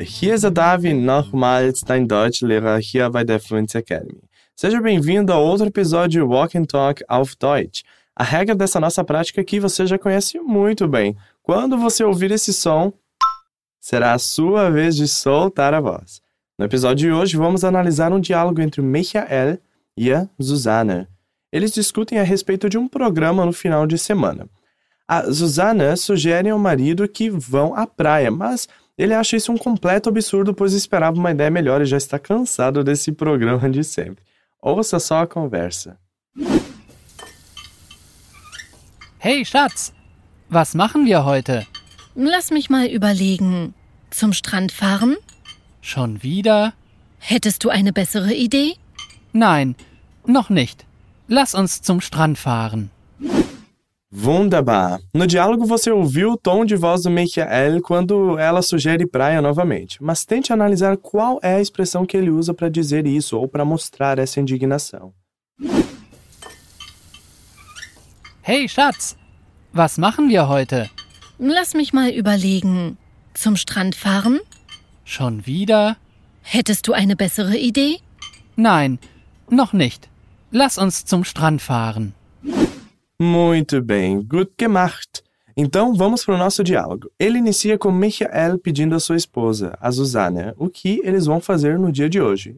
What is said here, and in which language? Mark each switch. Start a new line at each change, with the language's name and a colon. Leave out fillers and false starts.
German: Hier ist der David, nochmals dein Deutschlehrer hier bei der Fluency Academy.
Portuguese: Seja bem-vindo a outro episódio Walk and Talk
German: auf Deutsch.
Portuguese: A regra dessa nossa prática aqui você já conhece muito bem. Quando você ouvir esse som, será a sua vez de soltar a voz. No episódio de hoje, vamos analisar um diálogo entre o Michael e a Susanne. Eles discutem a respeito de um programa no final de semana. A Susanne sugere ao marido que vão à praia, mas ele acha isso um completo absurdo, pois esperava uma ideia melhor e já está cansado desse programa de sempre. Ouça só a conversa.
German: Hey, Schatz! Was machen wir heute? Lass mich mal überlegen. Zum Strand fahren? Schon wieder? Hättest du eine bessere Idee? Nein, noch nicht. Lass uns zum Strand fahren. Wunderbar.
Portuguese: No diálogo você ouviu o tom de voz do Michael quando ela sugere praia novamente. Mas tente analisar qual é a expressão que ele usa para dizer isso ou para mostrar essa indignação.
German: Hey, Schatz! Was machen wir heute? Lass mich mal überlegen. Zum Strand fahren? Schon wieder? Hättest du eine bessere Idee? Nein, noch nicht. Lass uns zum Strand fahren.
Portuguese: Muito bem,
German: gut gemacht.
Portuguese: Então, vamos para o nosso diálogo. Ele inicia com Michael pedindo a sua esposa, a Susanne, o que eles vão fazer no dia de hoje.